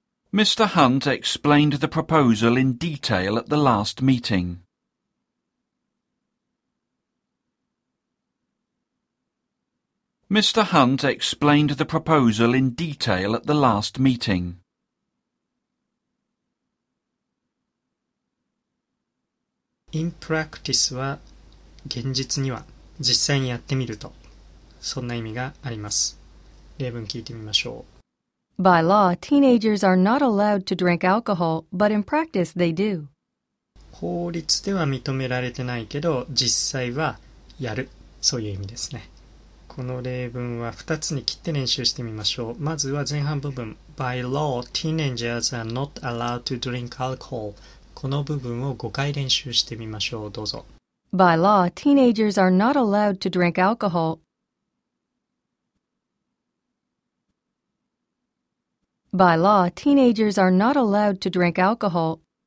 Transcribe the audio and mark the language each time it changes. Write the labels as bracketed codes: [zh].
[en] Mr. Hunt explained the proposal in detail at the last meeting. Mr. Hunt explained the proposal in detail at the last meeting. [ja] In practice は現実には実際にやってみるとそんな意味があります。例文聞いてみましょう。 [en] By law, teenagers are not allowed to drink alcohol, but in practice they do. [ja] 法律では認められてないけど実際はやる。そういう意味ですね。この例文は2つに切って練習してみましょう。まずは前半部分。 [en] By law, teenagers are not allowed to drink alcohol. [ja] この部分を5回練習してみましょう。どうぞ。 [en] By law, teenagers are not allowed to drink alcohol. By law, teenagers are not allowed to drink alcohol.